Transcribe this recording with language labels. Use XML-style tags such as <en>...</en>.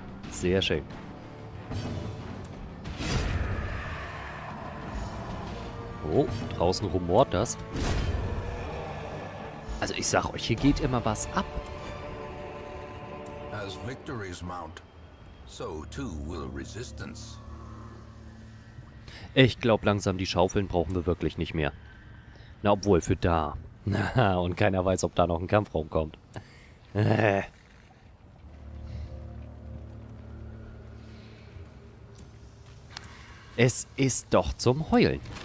<de>Sehr schön. Oh, draußen rumort das. Also ich sag euch, hier geht immer was ab.</de> <en>As victories mount, so too will resistance.</en> <de>Ich glaube langsam, die Schaufeln brauchen wir wirklich nicht mehr. Na, obwohl für da. Und keiner weiß, ob da noch ein Kampfraum kommt. Es ist doch zum Heulen.</de>